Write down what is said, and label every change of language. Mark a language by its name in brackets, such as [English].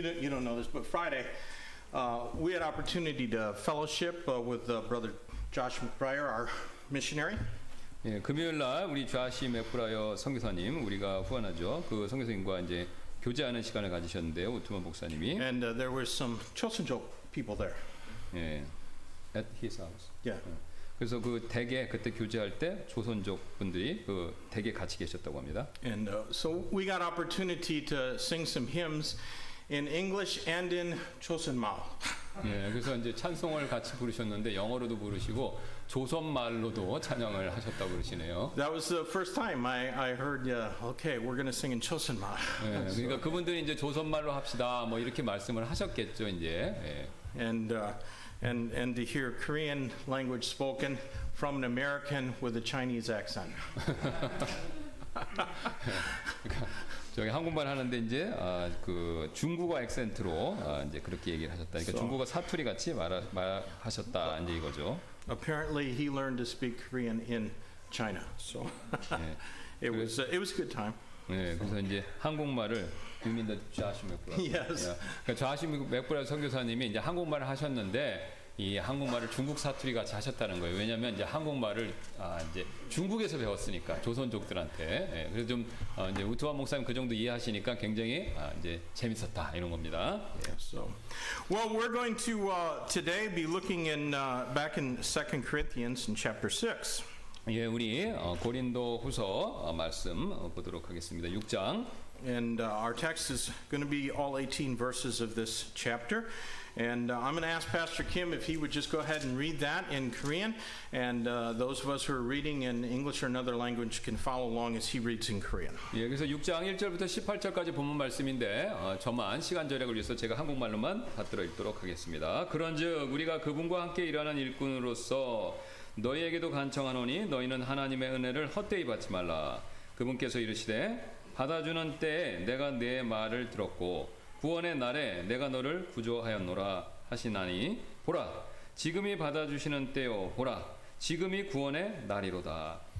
[English] We had opportunity to fellowship with Brother Josh McBrayer, our missionary. [Korean] 예, 금요일 날 우리 조시 맥브라이어 선교사님 우리가 후원하죠. 그 선교사님과 이제 교제하는 시간을 가지셨는데요. 오트만 목사님이. [English] And there were some Chosunjok people there. 예, at his house. Yeah. [Korean] 그래서 그 대개 그때 교제할 때 조선족 분들이 그 대개 같이 계셨다고 합니다. [English] And so we got opportunity to sing some hymns in English and in Joseon-mal. [Korean] 예, 그래서 이제 찬송을 같이 부르셨는데 영어로도 부르시고 조선말로도 찬양을 하셨다고 그러시네요. [English] That was the first time I heard okay, we're going to sing in Joseon-mal. [Korean] 예, 그러니까 그분들이 이제 조선말로 합시다. 뭐 이렇게 말씀을 하셨겠죠, 이제. 예. [English] And to hear Korean language spoken from an American with a Chinese accent. [Korean] 저기 한국말 하는데 이제 그 중국어 액센트로 이제 그렇게 얘기를 하셨다니까 중국어 사투리 같이 말하셨다 이제 이거죠. [English] Apparently he learned to speak Korean in China. So it was a good time. [Korean] 네, 그래서 이제 한국말을 유민더 좌시미쿠라. [English] Yes. [Korean] 좌시미쿠라 선교사님이 이제 한국말을 하셨는데 이 한국말을 중국 사투리 같이 하셨다는 거예요. 왜냐하면 이제 한국말을 이제 중국에서 배웠으니까 조선족들한테. 네, 그래서 좀 이제 우투환 목사님 그 정도 이해하시니까 굉장히 이제 재밌었다 이런 겁니다. [English] 네. So, well, we're going to today be looking in back in 2 Corinthians in chapter 6. [Korean] 예, 우리 고린도후서 말씀 보도록 하겠습니다. 6장. [English] And our text is going to be all 18 verses of this chapter. And I'm going to ask Pastor Kim if he would just go ahead and read that in Korean. And those of us who are reading in English or another language can follow along as he reads in Korean. [Korean] 예, 그래서 6장 1절부터 18절까지 본문 말씀인데 저만 시간 절약을 위해서 제가 한국말로만 받들어 읽도록 하겠습니다. 그런즉 우리가 그분과 함께 일하는 일꾼으로서 너희에게도 간청하노니 너희는 하나님의 은혜를 헛되이 받지 말라. 그분께서 이르시되 받아주는 때에 내가 네 말을 들었고 구원의 날에 내가 너를 구조하였노라 하시나니 보라 지금이 받아주시는 때요 보라 지금이 구원의 날이로다.